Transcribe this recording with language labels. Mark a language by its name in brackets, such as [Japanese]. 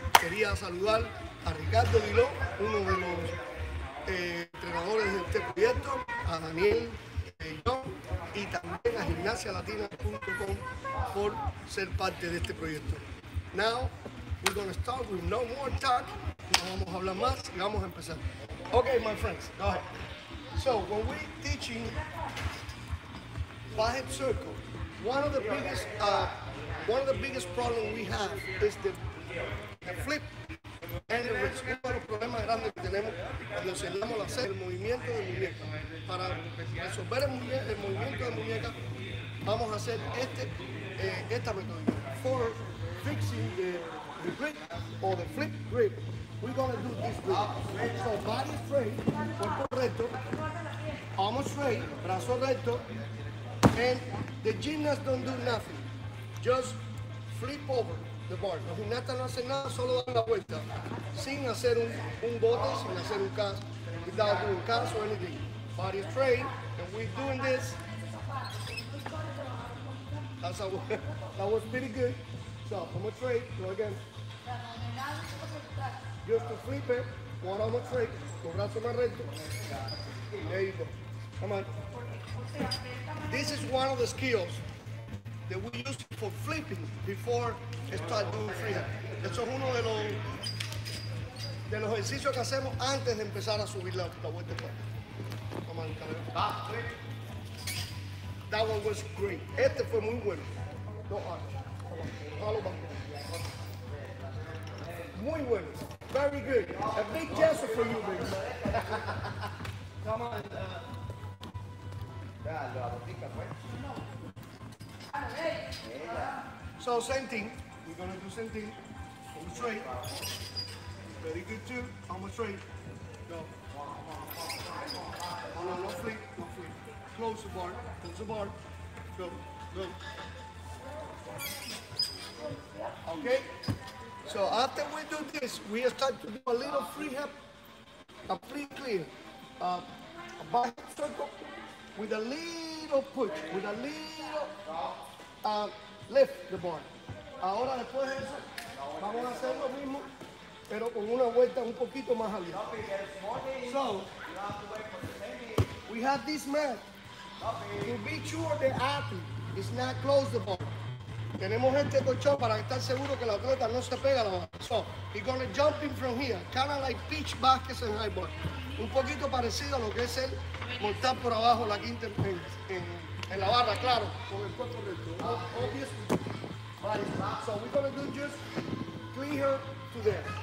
[Spanish] Quería saludar a Ricardo Bilo, uno de los entrenadores de este proyecto, a Daniel John, y también a GymnasiaLatina.com por ser parte de este proyecto. [English] Now, we're gonna start with no more talk. [Spanish] No vamos a hablar más y vamos a empezar. [English] Okay, my friends, go ahead. So, when we're teaching five circle, one of the biggest problems we have is the flip and the wrist. [Spanish] Uno de los problemas grandes que tenemos cuando enseñamos a hacer el movimiento de muñeca. Para resolver el movimiento de muñeca, vamos a hacer esta metodología. [English] For fixing the grip or the flip grip, we're gonna do this grip. So body straight, [Spanish] cuerpo recto, [English] arm straight, [Spanish] brazo recto, [English] and the gymnast don't do nothing. Just flip over the bar. [Spanish] Los gimnastas no hacen nada, solo dan la vuelta, sin hacer un bote, sin hacer un caso, [English] without doing caso or anything. Body straight, and we're doing this. That was pretty good. So I'm a straight, go again. Just to flip it, one arm straight, [Spanish] con brazo más recto. [English] There you go. Come on. This is one of the skills that we use for flipping before start doing freehip. [Spanish] Eso es uno de los ejercicios que hacemos antes de empezar a subir la vuelta. [English] Come on, Calero. That one was great. [Spanish] Este fue muy bueno. [English] No arch. Come on. [Spanish] Muy bueno. [English] Very good. A big gesture for you, baby. Come on. So same thing. We're gonna do same thing. Arm straight. Very good too. Arm straight. Go. Oh no, no flip, no flip. Close the bar. Close the bar. Go. Go. Okay. So after we do this, we start to do a little freehip, a free clear, a back circle with a little push, with a little lift the bar. [Spanish] Ahora después de eso, vamos a hacer lo mismo, pero con una vuelta un poquito más arriba. [English] So, we have this mat. To be sure the athlete is not close the bar. [Spanish] Tenemos este colchón para estar seguro que la atleta no se pega la bar. [English] So, he's gonna jump in from here, kind of like pitch baskets and high bar. [Spanish] Un poquito parecido a lo que es el montar por abajo la quinta en la barra, claro. Con el cuerpo recto. Obviously. [English] So we're gonna do just clean her to there.